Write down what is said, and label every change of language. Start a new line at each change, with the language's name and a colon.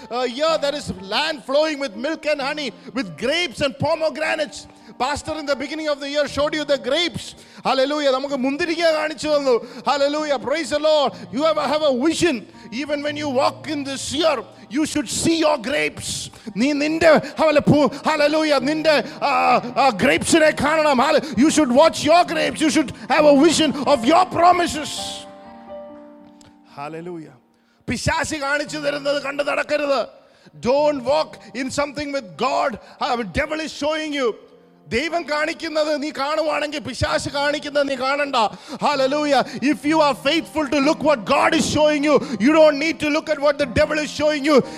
English: A year that is land flowing with milk and honey, with grapes and pomegranates. Pastor, in the beginning of the year, showed you the grapes. Hallelujah.
Malayalam: നമുക്ക് മുന്തിരിക്ക കാണിച്ചു തന്നു.
English: Hallelujah. Praise the Lord. You have a vision. Even when you walk in this year, you should see your grapes.
Malayalam: നീ നിന്റെ hallelujah നിന്റെ grapesനെ കാണണം.
English: You should watch your grapes. You should have a vision of your promises. Hallelujah.
Malayalam: പിശാച് കാണിച്ചു തരുന്നത് കണ്ടു നടക്കരുത്.
English: Don't walk in something with God. Devil is showing you.
Malayalam: ദൈവം കാണിക്കുന്നത് നീ കാണുവാണെങ്കിൽ പിശാച് കാണിക്കുന്നത് നീ കാണണ്ട. Hallelujah.
English: If you are faithful to look what God is showing you, you don't need to look at what the devil is showing you.